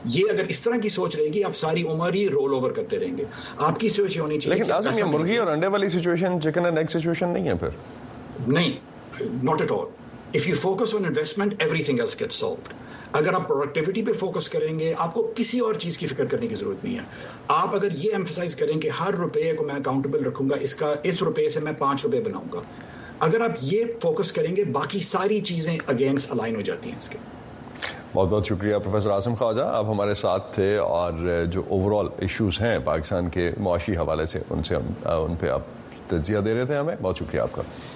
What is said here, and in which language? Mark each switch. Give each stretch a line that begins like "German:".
Urdu: یہ اگر اس طرح کی سوچ رہے گی آپ ساری عمر ہی رول اوور کرتے رہیں گے. آپ کی سوچ یہ ہونی چاہیے, مرغی اور انڈے والی situation chicken and egg situation نہیں ہے پھر.
English: نہیں, not at all. If you focus on investment, everything else gets solved.
Urdu: اگر آپ پروڈکٹیوٹی پہ فوکس کریں گے آپ کو کسی اور چیز کی فکر کرنے کی ضرورت نہیں ہے. آپ اگر یہ ایمفسائز کریں کہ ہر روپے کو میں اکاؤنٹیبل رکھوں گا, اس روپے سے میں پانچ روپے بناؤں گا, اگر آپ یہ فوکس کریں گے باقی ساری چیزیں اگینسٹ الائن ہو جاتی ہیں اس کے. بہت بہت شکریہ پروفیسر عاصم خواجہ, آپ ہمارے ساتھ تھے اور جو اوور آل ایشوز ہیں پاکستان کے معاشی حوالے سے ان پہ آپ تجزیہ دے رہے تھے ہمیں. بہت شکریہ آپ کا.